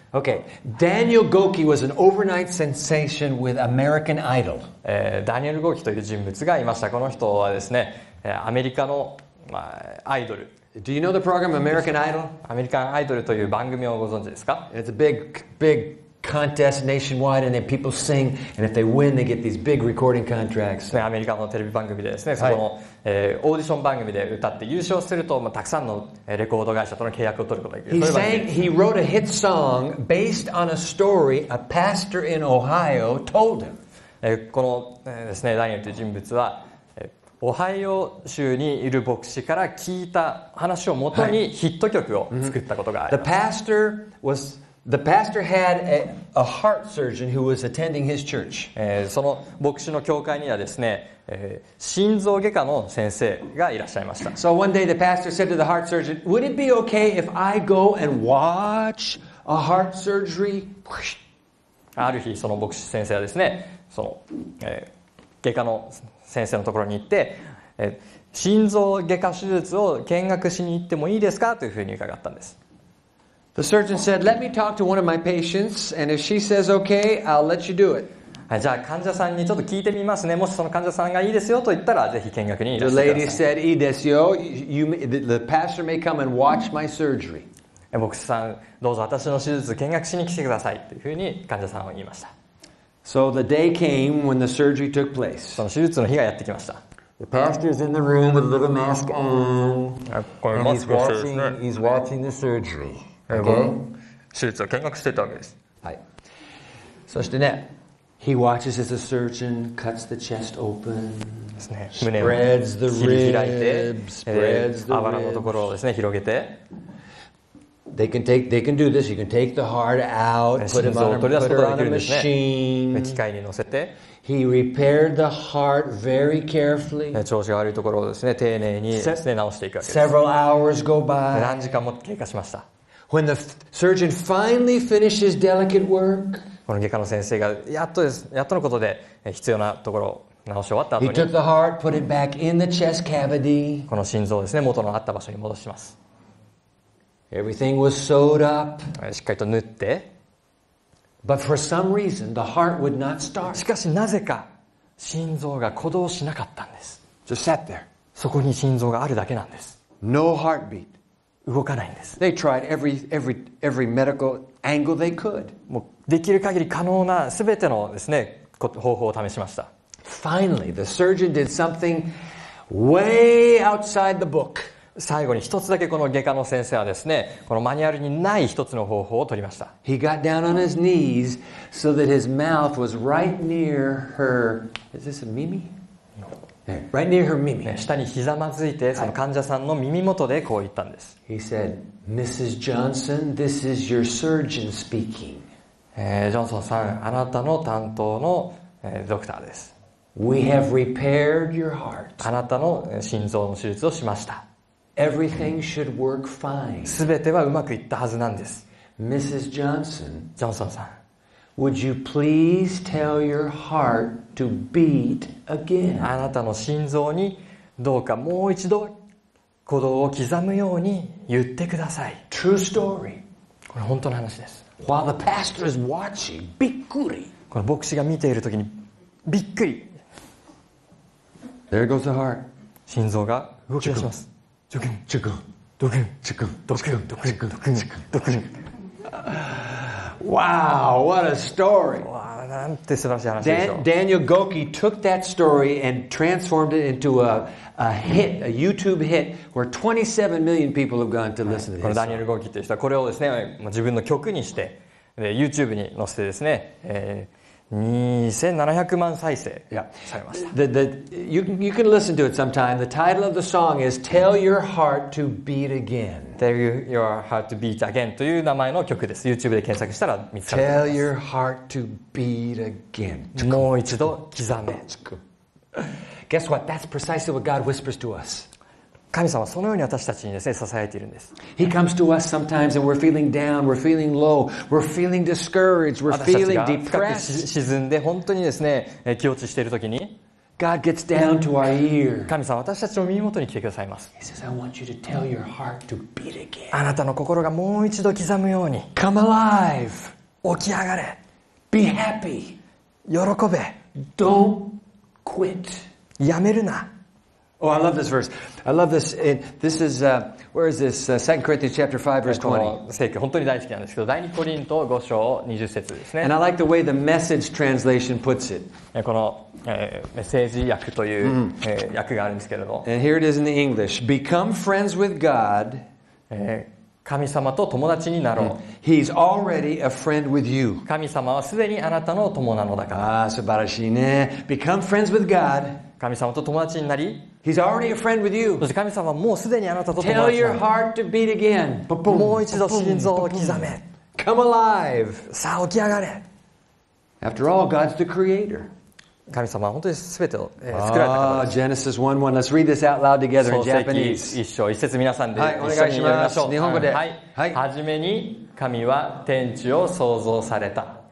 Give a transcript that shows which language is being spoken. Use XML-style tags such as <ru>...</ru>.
<ja>はい、</ja> <en>OK Daniel Gokey was an overnight sensation with American Idol.</en> <ja>ダニエル・ゴーキという人物がいました。この人はですね、アメリカの、アイドル。</ja> <en>Do you know the program American Idol?</en> <ja>アメリカンアイドルという番組をご存知ですか?</ja> <en>It's a big, big contest nationwide, and then people sing, and if they win, they get these big recording contracts.</en> <ja>アメリカのテレビ番組でですね、その、オーディション番組で歌って優勝すると、たくさんのレコード会社との契約を取ることができる。</ja> <en>He sang, he wrote a hit song based on a story a pastor in Ohio told him.</en> <ja>この、ですね、ダニエルという人物は、オハイオ州にいる牧師から聞いた話をもとにヒット曲を作ったことがあります。</ja> <en>The pastor was, the pastor had a heart surgeon who was attending his church.</en> <ja>その牧師の教会にはですね、心臓外科の先生がいらっしゃいました。</ja> <en>So one day the pastor said to the heart surgeon, would it be okay if I go and watch a heart surgery?</en> <ja>ある日その牧師先生はですね、その、外科の先生のところに行って、心臓外科手術を見学しに行ってもいいですかというふうに伺ったんです。</ja> <en>The surgeon said, "Let me talk to one of my patients, and if she says okay, I'll let you do it."</en> <ja>じゃあ患者さんにちょっと聞いてみますね。もしその患者さんがいいですよと言ったらぜひ見学にいらしてください。</ja> <en>The lady said,</en> <ja>いいですよ。</ja> <en>You may, the pastor may come and watch my surgery.</en> <ja>牧師さん、どうぞ私の手術見学しに来てくださいというふうに患者さんは言いました。</ja> <en>So the day came when the surgery took place.</en> <ja>その手術の日がやってきました。</ja> <en>The pastor is in the room with a little mask on. And he's watching the surgery. Okay?</en> <ja>手術を見学していたわけです。はい。そしてね、</ja> <en>He watches as the surgeon cuts the chest open, spreads the ribs, They can take the heart out, put it on a machine. He repaired the heart very carefully.</en> <ja>調子が悪いところをですね、丁寧に直していくわけです。</ja> <en>Several hours go by.</en> <ja>何時間も経過しました。</ja> <en>When the surgeon finally finishes delicate work,</en> <ja>この外科の先生がやっとです、やっとのことで必要なところを直し終わった後に</ja> <en>He took the heart, put it back in the chest cavity.</en> <ja>この心臓をですね、元のあった場所に戻します。</ja> <en>Everything was sewed up.</en> <ja>しっかりと縫って。</ja> <en>But for some reason, the heart would not start.</en> <ja>しかしなぜか心臓が鼓動しなかったんです。</ja> <en>Just sat there.</en> <ja>そこに心臓があるだけなんです。</ja> <en>No heartbeat.</en> <ja>動かないんです。</ja> <en>They tried every medical angle they could.</en> <ja>もうできる限り可能なすべてのですね方法を試しました。</ja> <en>Finally, the surgeon did something way outside the book.</en> <ja>最後に一つだけこの外科の先生はですね、このマニュアルにない一つの方法を取りました。</ja> <en>He got down on his knees so that his mouth was right near her. Is this a Mimi? Right near her 耳。</en> <ja>下にひざまずいて、その患者さんの耳元でこう言ったんです。</ja> <en>He said, Mrs. Johnson, this is your surgeon speaking.</en> <ja>ジョンソンさん、あなたの担当の、ドクターです。</ja> <en>We have repaired your heart.</en> <ja>あなたの心臓の手術をしました。</ja> <en>Everything should work fine.</en> <ja>すべてはうまくいったはずなんです。</ja> <en>Mrs. Johnson,</en> <ja>ジョンソンさん。</ja> <en>Would you please tell your heart to beat again?</en> <ja>あなたの心臓にどうかもう一度鼓動を刻むように言ってください。</ja> <en>True story.</en> <ja>これ本当の話です。</ja> <en>While the pastor is watching, びっくり。</en> <ja>この牧師が見ているときにびっくり。</ja> <en>There goes the heart.</en> <ja>心臓が動き出します。ドクン、ドクン、ドクン、ドクン、ドクン、ドクン、ドクン、ドクン、ドクン。</ja> <en>Wow, what a story! Daniel Goki took that story and transformed it into a hit, a YouTube hit, where 27 million people have gone to listen to this.</en> <ja>このダニエル・ゴーキという人はこれをですね、自分の曲にして、YouTube に載せてですね、2700万再生されました。</ja> <en>You can listen to it sometime. The title of the song is Tell Your Heart to Beat Again.</en> <ja>Tell Your Heart to Beat Again という名前の曲です。 YouTube で検索したら見つかります。</ja> <en>Tell Your Heart to Beat Again.</en> <ja>もう一度刻め。</ja> <en>Guess what? That's precisely what God whispers to us.</en> <ja>神様はそのように私たちにですね、支えているんです。</ja> <en>He comes to us sometimes and we're feeling down, we're feeling low, we're feeling discouraged, we're feeling depressed.</en> <ja>私たちが沈んで本当にですね、気落ちしているときに、</ja> <en>God gets down to our ear.</en> <ja>神様は私たちの耳元に来てくださいます。</ja> <en>He says, I want you to tell your heart to beat again.</en> <ja>あなたの心がもう一度刻むように。</ja> <en>Come alive!</en> <ja>起き上がれ</ja> <en>!Be happy!</en> <ja>喜べ</ja> <en>!Don't quit!</en> <ja>やめるな</ja> <en>Oh, I love this verse. I love this. This is, where is this? 2 Corinthians chapter 5 verse 20.</en> <ja>この聖句本当に大好きなんですけど、第2コリント5章20節ですね。</ja> <en>And I like the way the message translation puts it.</en> <ja>この、メッセージ訳という、訳があるんですけれども。</ja> <en>And here it is in the English. Become friends with God.</en> <ja>神様と友達になろう。</ja> <en>He's already a friend with you.</en> <ja>神様はすでにあなたの友なのだから。ああ、素晴らしいね。</ja> <en>Become friends with God.</en> <ja>神様と友達になり、</ja> <en>He's already a friend with you.</en> <ja>神様はもうすでにあなたと</ja> <en>Tell your heart to beat again.</en> <ja>もう一度心臓を刻め。</ja> <en>Come alive.</en> <ja>さあ起き上がれ。</ja> <en>After all, God's the creator.</en> <ja>神様は本当にすべてを作られた方です。</ja> <en>Genesis 1:1. Let's read this out loud together in Japanese.</en> <ja>創世記1章1節皆さんで一緒に読みましょう。日本語で。はい。はじめに神は天地を創造された。</ja>